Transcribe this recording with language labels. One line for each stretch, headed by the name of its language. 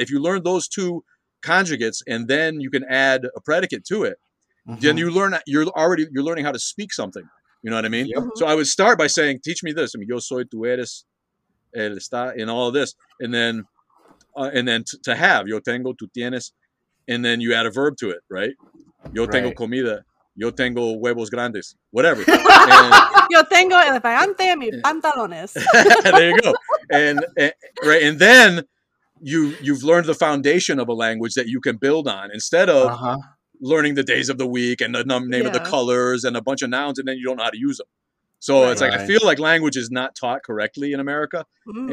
English: If you learn those two conjugates, and then you can add a predicate to it, then you're learning how to speak something. You know what I mean? Yep. So I would start by saying, teach me this. I mean,
Spanish: yo soy, tú eres, él está,
English: and all of this. And then to have,
Spanish: yo tengo, tú tienes,
English: and then you add a verb to it, right?
Spanish: Yo tengo comida. Yo tengo huevos grandes,
English: whatever.
Spanish: Yo tengo elefante en mi pantalones.
English: There you go. Right, and then you've learned the foundation of a language that you can build on instead of learning the days of the week and the name of the colors and a bunch of nouns, and then you don't know how to use them. So I feel like language is not taught correctly in America. Mm-hmm.